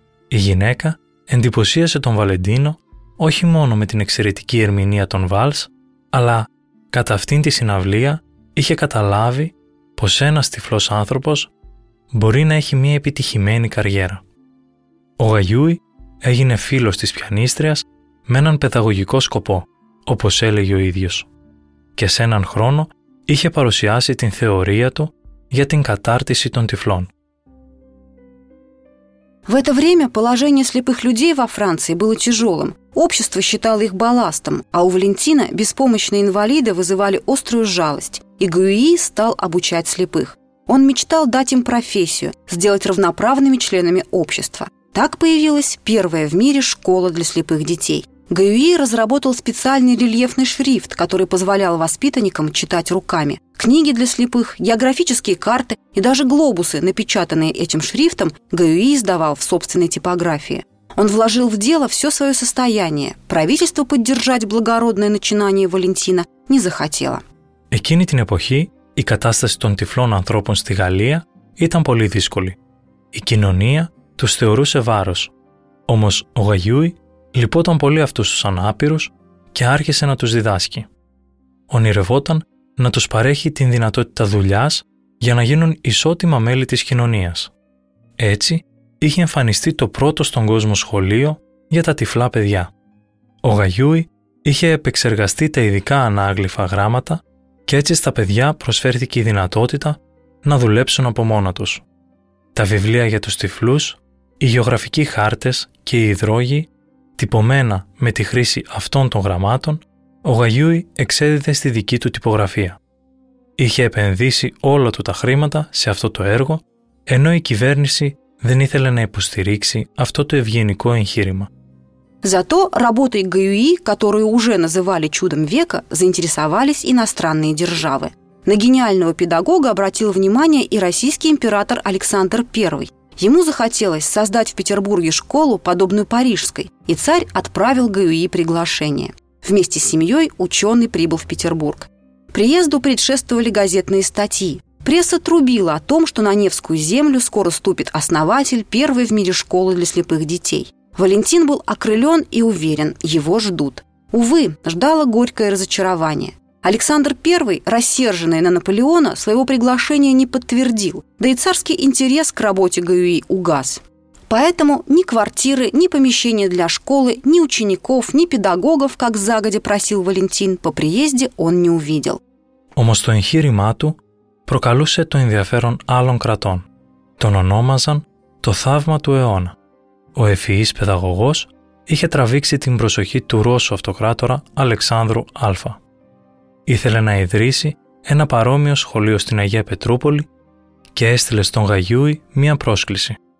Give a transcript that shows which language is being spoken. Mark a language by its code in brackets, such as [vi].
[el] Η γυναίκα εντυπωσίασε τον Βαλεντίνο όχι μόνο με την εξαιρετική ερμηνεία των βάλς, αλλά κατά αυτήν τη συναυλία είχε καταλάβει πως ένας τυφλός άνθρωπος μπορεί να έχει μια επιτυχημένη καριέρα. Ο Γαγιούι έγινε φίλος της πιανίστριας με έναν παιδαγωγικό σκοπό, όπως έλεγε ο ίδιος, και σε έναν χρόνο είχε παρουσιάσει την θεωρία του για την κατάρτιση των τυφλών. [ru] В это время положение слепых людей во Франции было тяжелым. Общество считало их балластом, а у Валентина беспомощные инвалиды вызывали острую жалость, и Гюи стал обучать слепых. Он мечтал дать им профессию, сделать равноправными членами общества. Так появилась первая в мире школа для слепых детей. Гюи разработал специальный рельефный шрифт, который позволял воспитанникам читать руками. Книги для слепых, географические карты и даже глобусы, напечатанные этим шрифтом, Гюи издавал в собственной типографии. Он вложил в дело все свое состояние. Правительство поддержать благородное начинание Валентина не захотело. [el] Εκείνη την εποχή η κατάσταση των τυφλών ανθρώπων στη Γαλλία ήταν πολύ δύσκολη. Η κοινωνία τους θεωρούσε βάρος. Όμως ο Γαγιούι λυπόταν πολύ αυτούς τους ανάπηρους και άρχισε να τους διδάσκει. Ονειρευόταν να τους παρέχει την δυνατότητα δουλειάς για να γίνουν ισότιμα μέλη της κοινωνίας. Έτσι, είχε εμφανιστεί το πρώτο στον κόσμο σχολείο για τα τυφλά παιδιά. Ο Γαγιούι είχε επεξεργαστεί τα ειδικά ανάγλυφα γράμματα και έτσι στα παιδιά προσφέρθηκε η δυνατότητα να δουλέψουν από μόνα τους. Τα βιβλία για τους τυφλούς, οι γεωγραφικοί χάρτες και οι υδρόγοι, τυπωμένα με τη χρήση αυτών των γραμμάτων, ο Γαγιούι εξέδιδε στη δική του τυπογραφία. Είχε επενδύσει όλα του τα χρήματα σε αυτό το έργο, ενώ η κυβέρνηση δεν ήθελε να υποστηρίξει αυτό το ευγενικό εγχείρημα. [ru] Зато работой Гюи, которую уже называли чудом века, заинтересовались иностранные державы. На гениального педагога обратил внимание и российский император Александр I. Ему захотелось создать в Петербурге школу, подобную парижской, и царь отправил Гюи приглашение. Вместе с семьей ученый прибыл в Петербург. Приезду предшествовали газетные статьи. Пресса трубила о том, что на Невскую землю скоро ступит основатель первой в мире школы для слепых детей. Валентин был окрылен и уверен, его ждут. Увы, ждало горькое разочарование. Александр I, рассерженный на Наполеона, своего приглашения не подтвердил, да и царский интерес к работе Гюи угас. Поэтому ни квартиры, ни помещения для школы, ни учеников, ни педагогов, как загодя просил Валентин, по приезде он не увидел. [el] Όμως το εγχείρημά του προκαλούσε το ενδιαφέρον άλλων κρατών. Τον ονόμαζαν «το θαύμα του αιώνα». Ο ευφυής παιδαγωγός είχε τραβήξει την προσοχή του Ρώσου αυτοκράτορα Αλεξάνδρου Α. Ήθελε να ιδρύσει ένα παρόμοιο σχολείο στην Αγία Πετρούπολη και έστειλε στον Γαγιούι μία πρόσκληση.